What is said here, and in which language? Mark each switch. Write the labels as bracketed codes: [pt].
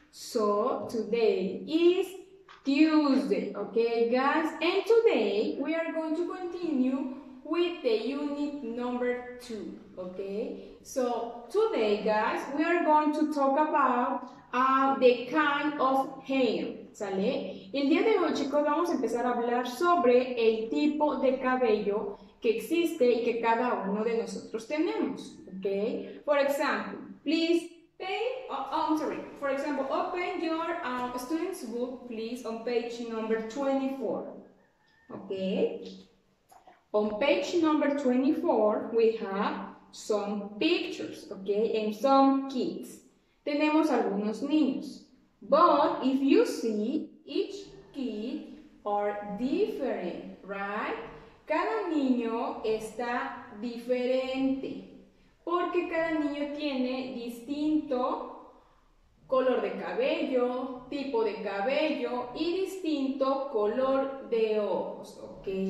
[en] So, today is Tuesday, okay guys? And today we are going to continue with the unit number 2, okay? So, today guys, we are going to talk about the kind of hair. [es] ¿Sale? El día de hoy, chicos, vamos a empezar a hablar sobre el tipo de cabello que existe y que cada uno de nosotros tenemos, ¿ok? [en] For example, please pay, oh, I'm sorry, for example, open your student's book, please, on page number 24, ¿ok? On page number 24, we have some pictures, ¿ok? And some kids. [es] Tenemos algunos niños. [en] But if you see, each kid are different, right? [es] Cada niño está diferente porque cada niño tiene distinto color de cabello, tipo de cabello y distinto color de ojos, ¿ok?